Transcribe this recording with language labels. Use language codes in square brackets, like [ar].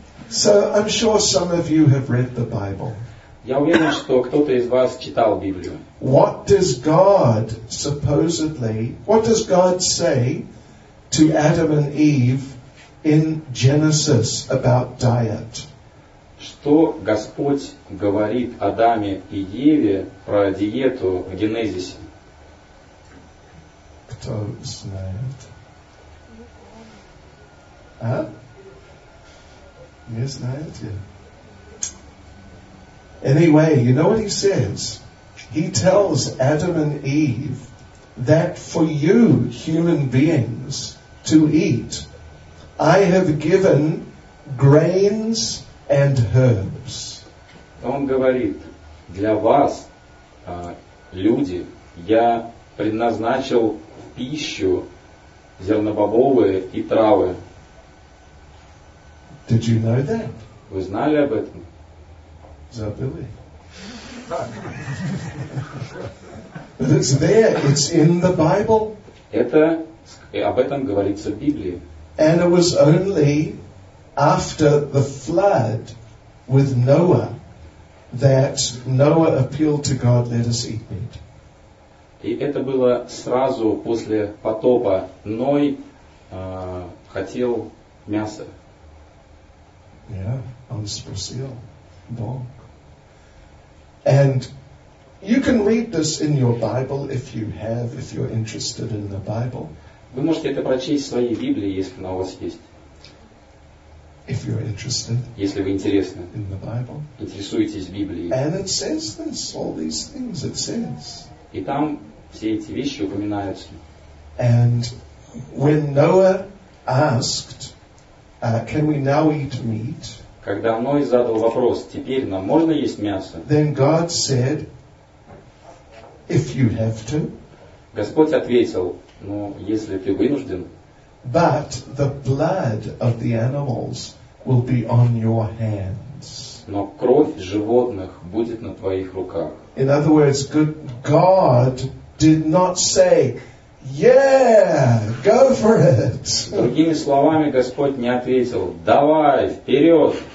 [en] So I'm sure some of you have read the Bible. [ru] Я уверен, что кто-то из вас читал Библию. [en] What does God supposedly, what does God say to Adam and Eve in Genesis about diet? [ru] Что Господь говорит Адаме и Еве про диету в Генезисе? Кто знает? А? Не знаете? [en] Anyway, you know what he says? He tells Adam and Eve that for you, human beings, to eat, I have given grains and herbs. [ru] Он говорит, для вас, люди, я предназначил в пищу зернобобовые и травы. [en] Did you know that? [ru] Вы знали об этом? Забыли. [en] But it's there, it's in the Bible. [ru] Это об этом говорится в Библии. [en] And it was only after the flood with Noah that Noah appealed to God, let us eat meat. [ru] И это было сразу после потопа. Ной хотел мясо. Yeah, он спросил Бог. [en] And you can read this in your Bible if you have, if you're interested in the Bible. [ru] Вы можете это прочесть в своей Библии, если она у вас есть. [en] if you're interested, [ru] если вы интересны, [en] in the Bible, [ru] интересуетесь Библией. [en] And it says this, all these things it says. [ru] И там все эти вещи упоминаются. [en] And when Noah asked, can we now eat meat? [ru] Когда Ной задал вопрос, теперь нам можно есть мясо? [en] Then God said, if you have to. [ru] Господь ответил, ну, если ты вынужден. [en] But the blood of the animals will be on your hands. [ru] Но кровь животных будет на твоих руках. [en] In other words, God did not say, yeah, go for it. [ru] Другими словами, Господь не ответил, давай, вперед.